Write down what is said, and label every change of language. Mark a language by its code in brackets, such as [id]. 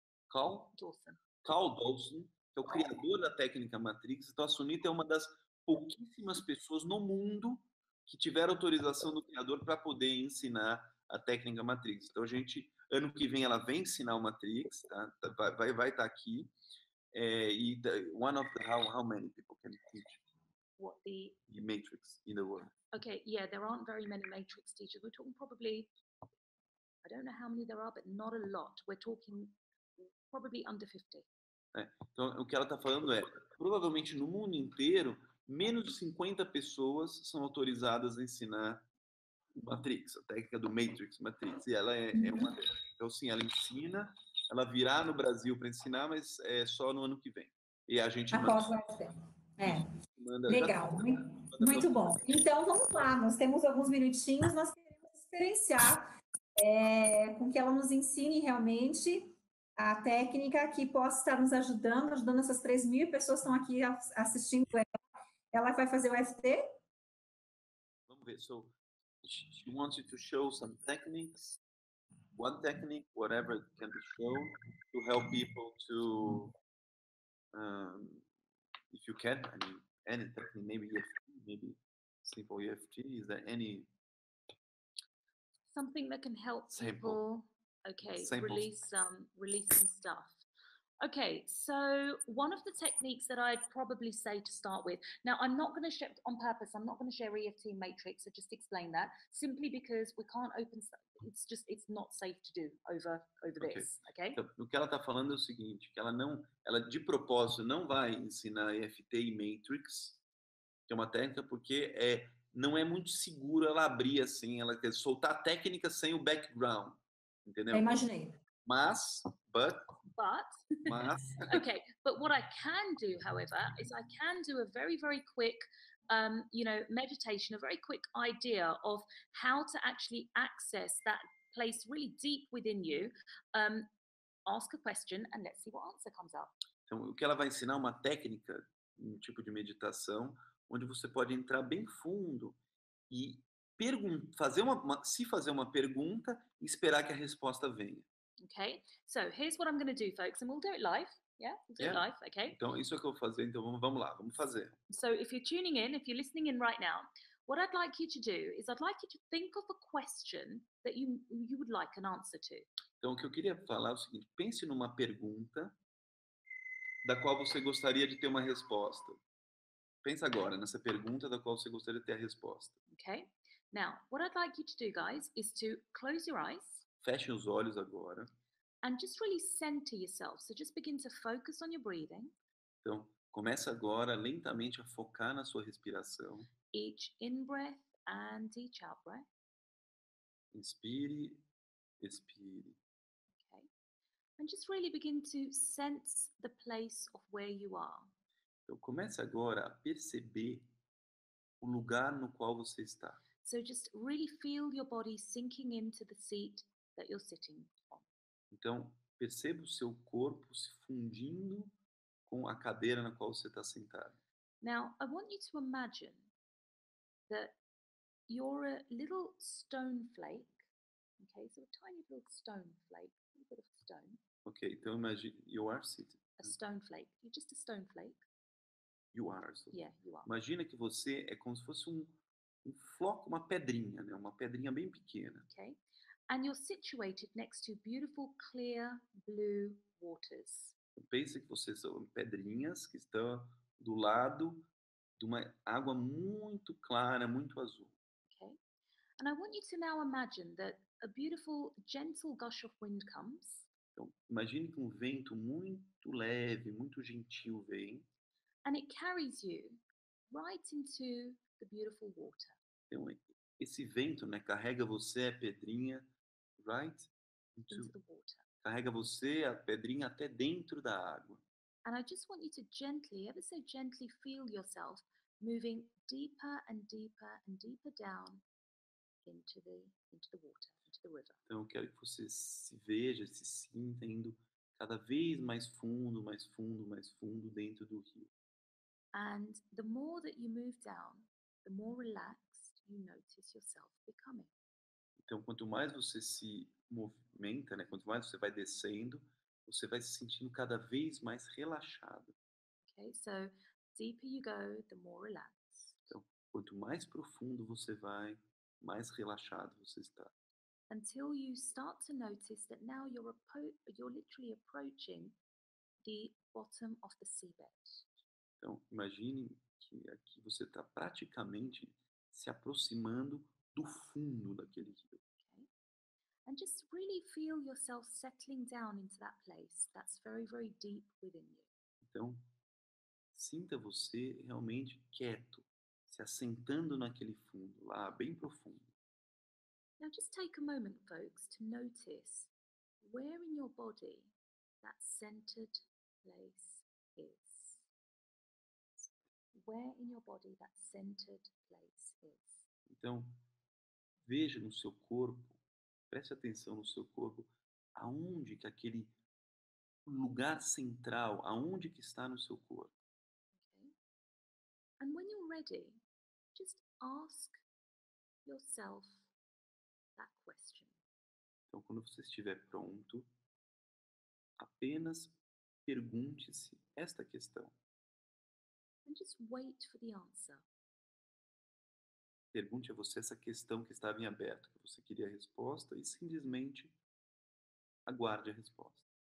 [pt] Carl Dawson, que é o criador da técnica Matrix. Então, a Sunita é uma das pouquíssimas pessoas no mundo que tiveram autorização do criador para poder ensinar a técnica Matrix. Então, a gente, ano que vem, ela vem ensinar o Matrix, tá? Vai estar aqui. E [en] one of the, how many people can teach? what the... The matrix in the world. Okay, yeah, there aren't very many matrix teachers. We're talking probably, I don't know how many there are, but not a lot. We're talking probably under 50. [pt] É, então, o que ela está falando é, provavelmente no mundo inteiro, menos de 50 pessoas são autorizadas a ensinar Matrix, a técnica do Matrix, Matrix. E ela é uma... Então, sim, ela ensina, ela virá no Brasil para ensinar, mas é só no ano que vem. E a gente manda... Após o STEM. É. Legal. Muito bom. Então, vamos lá. Nós temos alguns minutinhos. Nós queremos experienciar com que ela nos ensine realmente a técnica que possa estar nos ajudando, ajudando essas 3 mil pessoas que estão aqui assistindo ela. Ela vai fazer o ST? Vamos ver. [en] So, she wants you to show some techniques. One technique, whatever can be shown, to help people to... if you can, I mean, any technique, maybe EFT, maybe simple EFT, is there any... Something that can help simple. People, okay, simple. Release some stuff. Okay, so one of the techniques that I'd probably say to start with, now I'm not going to share, on purpose, I'm not going to share EFT matrix, I just explain that, simply because we can't open, it's not safe to do over okay. This, okay? [pt] Então, o que ela está falando é o seguinte, que ela de propósito não vai ensinar EFT e matrix, que é uma técnica, porque não é muito seguro ela abrir assim, ela quer soltar a técnica sem o background, entendeu? Eu imaginei. [en] But okay, but what I can do, however, is I can do a very, very quick, meditation, a very quick idea of how to actually access that place really deep within you, ask a question, and let's see what answer comes up. [pt] Então, o que ela vai ensinar é uma técnica, um tipo de meditação, onde você pode entrar bem fundo e fazer uma pergunta e esperar que a resposta venha. [en] Okay, so here's what I'm going to do, folks, and we'll do it live, yeah? We'll do yeah. It live, okay? [pt] Então, isso é o que eu vou fazer, então vamos lá, vamos fazer. [en] So if you're tuning in, if you're listening in right now, what I'd like you to do is I'd like you to think of a question that you would like an answer to. [pt] Então, o que eu queria falar é o seguinte, pense numa pergunta da qual você gostaria de ter uma resposta. Pense agora nessa pergunta da qual você gostaria de ter a resposta. [en] Okay, now, what I'd like you to do, guys, is to close your eyes. [pt] Feche os olhos agora. [en] And just really center yourself. So just begin to focus on your breathing. [pt] Então, comece agora lentamente a focar na sua respiração. [en] Each in-breath and each out-breath. [pt] Inspire, expire. [en] Okay. And just really begin to sense the place of where you are. [pt] Então, comece agora a perceber o lugar no qual você está. [en] So just really feel your body sinking into the seat that you're sitting on. [pt] Então, perceba o seu corpo se fundindo com a cadeira na qual você está sentado. [en] Now, I want you to imagine that you're a little stone flake, okay? So a tiny little stone flake, a little bit of stone. Okay, [pt] então imagine [en] you are sitting. A stone flake. You're just a stone flake. You are. So. Yeah, you are. [pt] Imagina que você é como se fosse um floco, uma pedrinha, né? Uma pedrinha bem pequena. [en] Okay. And you're situated next to beautiful, clear, blue waters. [pt] Pense que vocês são pedrinhas que estão do lado de uma água muito clara, muito azul. [en] Okay. And I want you to now imagine that a beautiful, gentle gush of wind comes. [pt] Então, imagine que um vento muito leve, muito gentil vem. [en] And it carries you right into the beautiful water. [pt] Então, esse vento, né, carrega você, a pedrinha, [en] right? Into the water. [pt] Carrega você, a pedrinha, até dentro da água. [en] And I just want you to gently, ever so gently, feel yourself moving deeper and deeper and deeper down into the water, into the river. [pt] Então, eu quero que você se veja, se sinta indo cada vez mais fundo, mais fundo, mais fundo dentro do rio. [en] And the more that you move down, the more relaxed you notice yourself becoming. [pt] Então, quanto mais você se movimenta, né? Quanto mais você vai descendo, você vai se sentindo cada vez mais relaxado. [en] Okay, so deeper you go, the more relaxed. [pt] Então, quanto mais profundo você vai, mais relaxado você está. [en] Until you start to notice that now you're literally approaching the bottom of the seabed. [pt] Então, imagine que aqui você está praticamente se aproximando do fundo daquele rio. [en] Okay. And just really feel yourself settling down into that place. That's very, very deep within you. [pt] Então, sinta você realmente quieto, se assentando naquele fundo, lá bem profundo. [en] Now just take a moment, folks, to notice where in your body that centered place is. Where in your body that centered place is. [pt] Então, veja no seu corpo, preste atenção no seu corpo, aonde que aquele lugar central, aonde que está no seu corpo. [en] Okay. And when you're ready, just ask yourself that question. [pt] Então, quando você estiver pronto, apenas pergunte-se esta questão. [en] And just wait for the answer. [pt] Pergunte a você essa questão que estava em aberto, que você queria a resposta, e simplesmente aguarde a resposta.